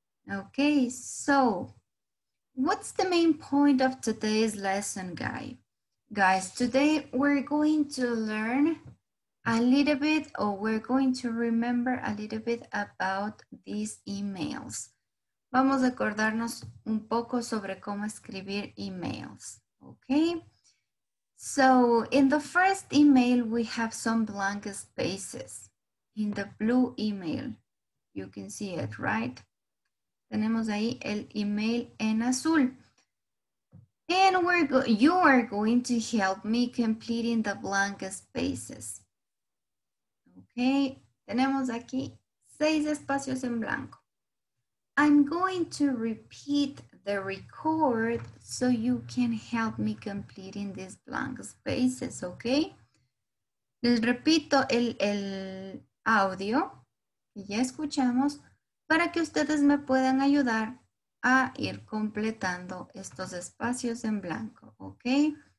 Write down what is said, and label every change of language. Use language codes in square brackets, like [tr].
[en] Okay, so what's the main point of today's lesson, guys? Today we're going to learn a little bit, or we're going to remember a little bit about these emails. [es] Vamos a acordarnos un poco sobre cómo escribir emails, okay? [en] So in the first email, we have some blank spaces. In the blue email, you can see it, right? [es] Tenemos ahí el email en azul. [en] And you are going to help me completing the blank spaces. [es] Okay, tenemos aquí 6 espacios en blanco. [en] I'm going to repeat the record so you can help me completing these blank spaces, okay? [es] Les repito el audio que ya escuchamos para que ustedes me puedan ayudar a ir completando estos espacios en blanco, okay?